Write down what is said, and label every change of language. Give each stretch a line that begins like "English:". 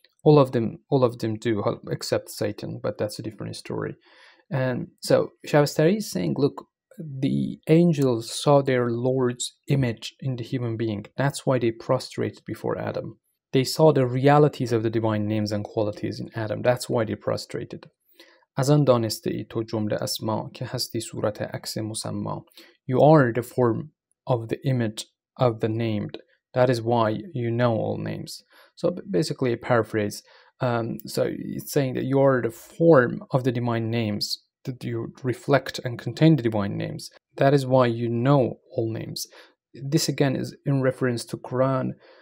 English: All of them do, except Satan, but that's a different story. And so Shabistari is saying, look, the angels saw their Lord's image in the human being. That's why they prostrated before Adam. They saw the realities of the divine names and qualities in Adam. That's why they prostrated.
Persian: از آن دانسته ای تو جمله اسما که هستی صورت عکس مسما.
English: You are the form of the image of the named. That is why you know all names. So basically a paraphrase. So it's saying that you are the form of the divine names, that you reflect and contain the divine names. That is why you know all names. This again is in reference to Quran.